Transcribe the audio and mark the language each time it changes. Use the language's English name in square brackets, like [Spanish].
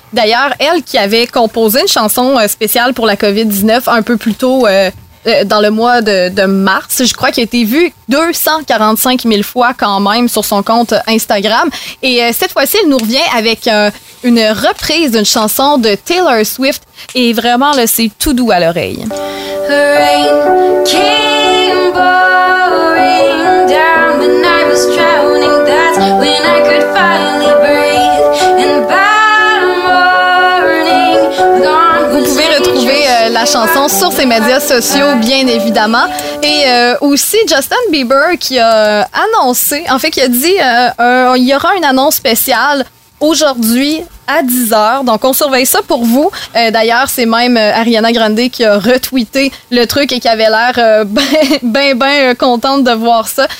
[French] D'ailleurs, elle qui avait composé une chanson spéciale pour la COVID-19 un peu plus tôt dans le mois de mars, je crois qu'il a été vu 245 000 fois quand même sur son compte Instagram. Et cette fois-ci, elle nous revient avec une reprise d'une chanson de Taylor Swift. Et vraiment, là, c'est tout doux à l'oreille. [English] Rain came pouring down when I was drowning. That's when I could finally breathe. And by morning, gone. [French] Vous pouvez retrouver la chanson sur ses médias sociaux, bien évidemment. Et aussi Justin Bieber qui a annoncé, en fait, qui a dit il y aura une annonce spéciale aujourd'hui à 10h. Donc, on surveille ça pour vous. D'ailleurs, c'est même Ariana Grande qui a retweeté le truc et qui avait l'air ben contente de voir ça.